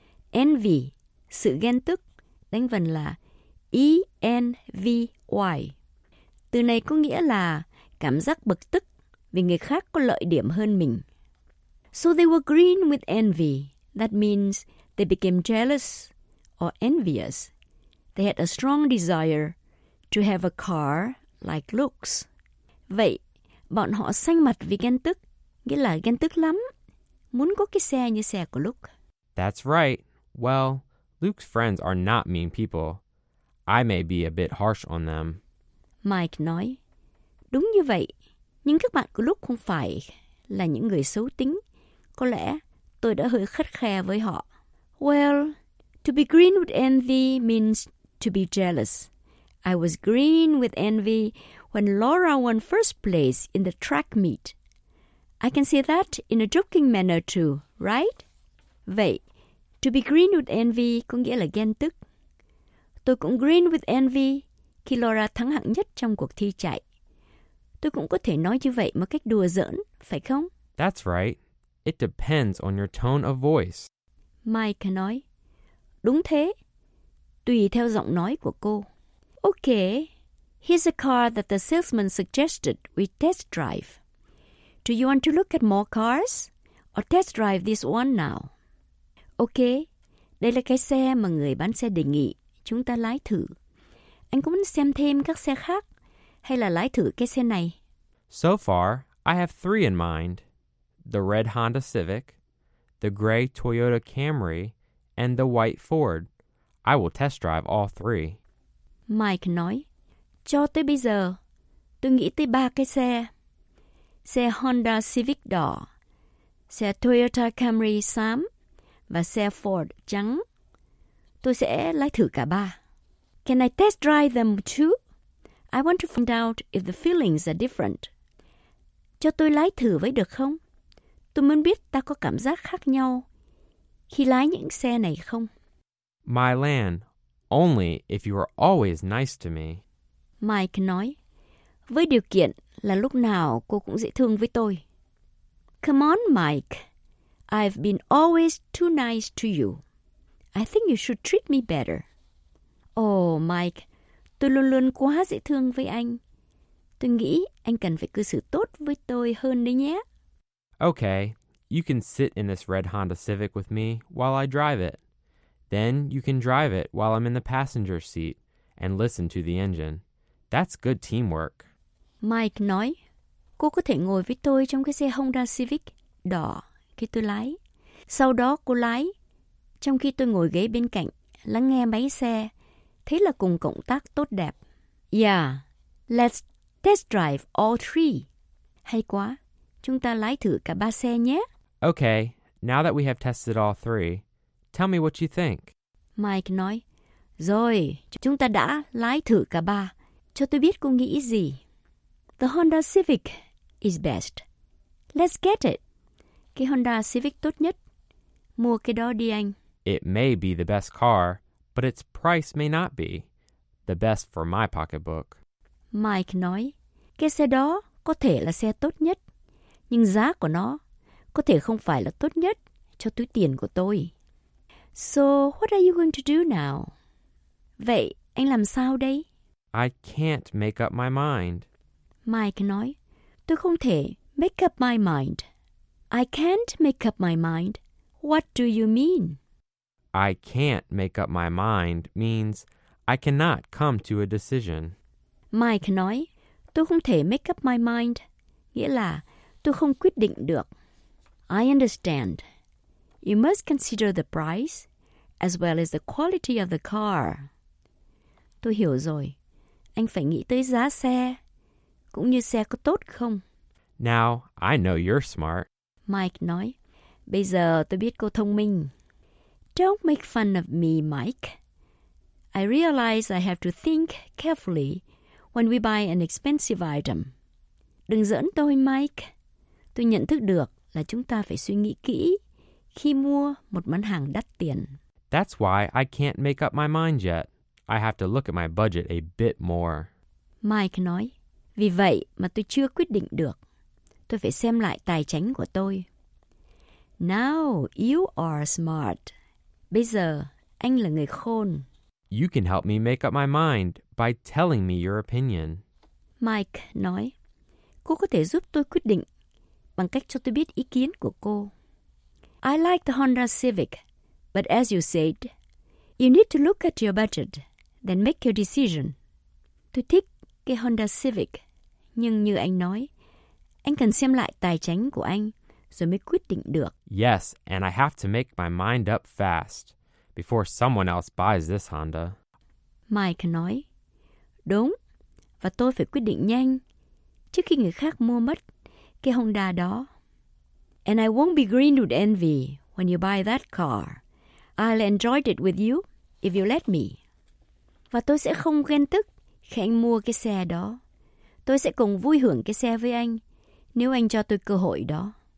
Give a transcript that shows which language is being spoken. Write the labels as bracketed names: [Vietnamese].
[Vietnamese] Envy, sự ghen tức, đánh vần là E-N-V-Y. Từ này có nghĩa là cảm giác bực tức vì người khác có lợi điểm hơn mình. [English] So they were green with envy. That means they became jealous or envious. They had a strong desire to have a car like looks. [Vietnamese] Vậy, bọn họ xanh mặt vì ghen tức, nghĩa là ghen tức lắm, muốn có cái xe như xe của Luke. [English] That's right. Well, Luke's friends are not mean people. I may be a bit harsh on them. [Vietnamese] Mike nói, đúng như vậy, nhưng các bạn của Luke không phải là những người xấu tính. Có lẽ tôi đã hơi khắt khe với họ. [English] Well, to be green with envy means to be jealous. I was green with envy when Laura won first place in the track meet. I can say that in a joking manner too, right? [Vietnamese] Vậy, [English] to be green with envy [Vietnamese] có nghĩa là ghen tức. Tôi cũng [English] green with envy [Vietnamese] khi Laura thắng hạng nhất trong cuộc thi chạy. Tôi cũng có thể nói như vậy một cách đùa giỡn, phải không? [English] That's right. It depends on your tone of voice. [Vietnamese] Mike nói, đúng thế, tùy theo giọng nói của cô. [English] Okay, here's a car that the salesman suggested we test drive. Do you want to look at more cars or test drive this one now? [Vietnamese] Okay, đây là cái xe mà người bán xe đề nghị chúng ta lái thử. Anh có muốn xem thêm các xe khác hay là lái thử cái xe này? [English] So far, I have three in mind. The red Honda Civic, the gray Toyota Camry, and the white Ford. I will test drive all three. [Vietnamese] Mike nói, cho tới bây giờ, tôi nghĩ tới ba cái xe. Xe Honda Civic đỏ, xe Toyota Camry xám, và xe Ford trắng. Tôi sẽ lái thử cả ba. [English] Can I test drive them too? I want to find out if the feelings are different. [Vietnamese] Cho tôi lái thử với được không? Tôi muốn biết ta có cảm giác khác nhau khi lái những xe này không? [English] My land, only if you are always nice to me. [Vietnamese] Mike nói, với điều kiện là lúc nào cô cũng dễ thương với tôi. [English] Come on, Mike. I've been always too nice to you. I think you should treat me better. [Vietnamese] Oh, Mike, tôi luôn luôn quá dễ thương với anh. Tôi nghĩ anh cần phải cư xử tốt với tôi hơn đấy nhé. [English] Okay, you can sit in this red Honda Civic with me while I drive it. Then you can drive it while I'm in the passenger seat and listen to the engine. That's good teamwork. [Vietnamese] Mike nói, cô có thể ngồi với tôi trong cái xe Honda Civic đỏ khi tôi lái. Sau đó cô lái, trong khi tôi ngồi ghế bên cạnh, lắng nghe máy xe. Thế là cùng cộng tác tốt đẹp. [English] Yeah, let's test drive all three. [Vietnamese] Hay quá. Chúng ta lái thử cả ba xe nhé. [English] Okay, now that we have tested all three, tell me what you think. [Vietnamese] Mike nói, rồi, chúng ta đã lái thử cả ba. Cho tôi biết cô nghĩ gì. [English] The Honda Civic is best. Let's get it. [Vietnamese] Cái Honda Civic tốt nhất. Mua cái đó đi anh. [English] It may be the best car, but its price may not be the best for my pocketbook. [Vietnamese] Mike nói, cái xe đó có thể là xe tốt nhất. Nhưng giá của nó có thể không phải là tốt nhất cho túi tiền của tôi. [English] So, what are you going to do now? [Vietnamese] Vậy, anh làm sao đây? [English] I can't make up my mind. [Vietnamese] Mike nói, tôi không thể [English] make up my mind. I can't make up my mind. What do you mean? I can't make up my mind means I cannot come to a decision. [Vietnamese] Mike nói, tôi không thể [English] make up my mind. [Vietnamese] Nghĩa là, tôi không quyết định được. [English] I understand. You must consider the price as well as the quality of the car. [Vietnamese] Tôi hiểu rồi. Anh phải nghĩ tới giá xe, cũng như xe có tốt không. [English] Now, I know you're smart. [Vietnamese] Mike nói, bây giờ tôi biết cô thông minh. [English] Don't make fun of me, Mike. I realize I have to think carefully when we buy an expensive item. [Vietnamese] Đừng giỡn tôi, Mike. Tôi nhận thức được là chúng ta phải suy nghĩ kỹ khi mua một món hàng đắt tiền. [English] That's why I can't make up my mind yet. I have to look at my budget a bit more. [Vietnamese] Mike nói, vì vậy mà tôi chưa quyết định được. Tôi phải xem lại tài chính của tôi. [English] Now you are smart. [Vietnamese] Bây giờ, anh là người khôn. [English] You can help me make up my mind by telling me your opinion. [Vietnamese] Mike nói, cô có thể giúp tôi quyết định bằng cách cho tôi biết ý kiến của cô. [English] I like the Honda Civic, but as you said, you need to look at your budget, then make your decision. [Vietnamese] Tôi thích cái Honda Civic, nhưng như anh nói, anh cần xem lại tài chính của anh rồi mới quyết định được. [English] Yes, and I have to make my mind up fast before someone else buys this Honda. [Vietnamese] Mike nói, đúng, và tôi phải quyết định nhanh trước khi người khác mua mất cái Honda đó. [English] And I won't be green with envy when you buy that car. I'll enjoy it with you if you let me. [Vietnamese] Và tôi sẽ không ghen tức khi anh mua cái xe đó. Tôi sẽ cùng vui hưởng cái xe với anh nếu anh cho tôi cơ hội đó.